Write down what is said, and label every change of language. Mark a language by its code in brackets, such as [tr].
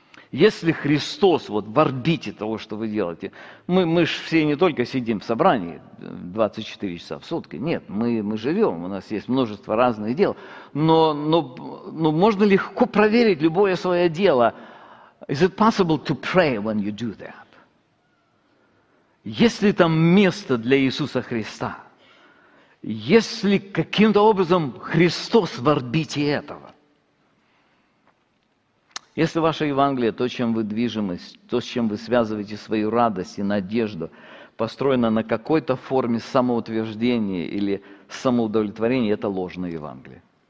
[ru] Если Христос вот в орбите того, что вы делаете, мы же все не только сидим в собрании 24 часа в сутки, нет, мы живем, у нас есть множество разных дел, но можно легко проверить любое свое дело. [en] Is it possible to pray when you do that? [ru] Есть ли там место для Иисуса Христа? Есть ли каким-то образом Христос в орбите этого? Если ваше Евангелие, то, чем вы движимы, то, с чем вы связываете свою радость и надежду, построено на какой-то форме самоутверждения или самоудовлетворения, это ложное Евангелие.